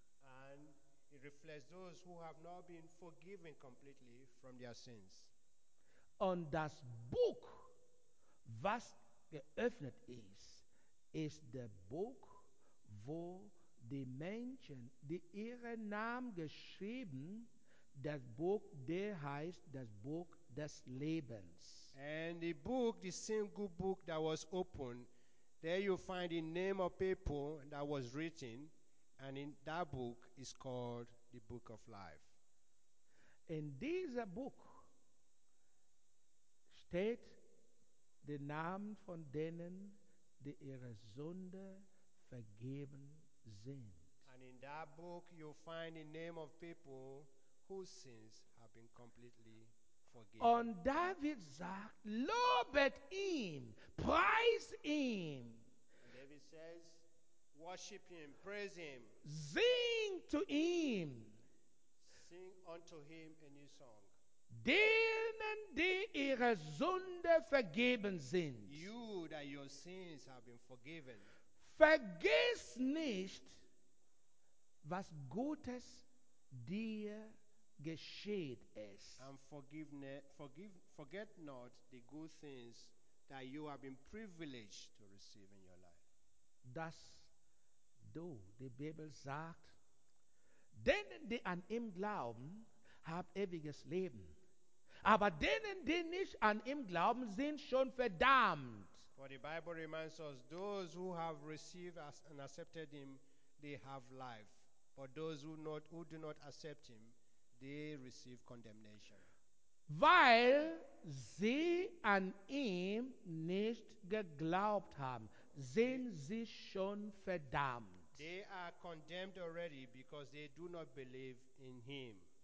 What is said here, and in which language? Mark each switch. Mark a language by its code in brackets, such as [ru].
[en] And it reflects those who have not been forgiven completely from their sins. [de] Und das Buch, was geöffnet ist, ist der Buch, wo die Menschen, die ihren Namen geschrieben, das Buch, der heißt das Buch des Lebens. [en] And the book, the single book that was opened, there you find the name of people that was written, and in that book is called the Book of Life. [de] In dieser Buch steht der Name von denen, die ihre Sünde vergeben sind. [en] And in that book you find the name of people whose sins have been completely forgiven. [de] Und David sagt, lobet ihm, preis ihm. [en] And David says, worship him, praise him. Sing to him. Sing unto him a new song. [de] Den denen, die ihre Sünde vergeben sind. [en] You, that your sins have been forgiven. [de] Vergiss nicht, was Gutes dir geschieht ist. [en] And forget not the good things that you have been privileged to receive in your life. [de] Das du, die Bibel sagt, denen, die an ihm glauben, haben ewiges Leben. Aber denen, die nicht an ihm glauben, sind schon verdammt. [en] For the Bible reminds us, those who have received us and accepted him, they have life. But those who do not accept him, they receive condemnation. [de] Weil sie an ihm nicht geglaubt haben, sind sie schon verdammt. [en] They are condemned already because they do not believe in him.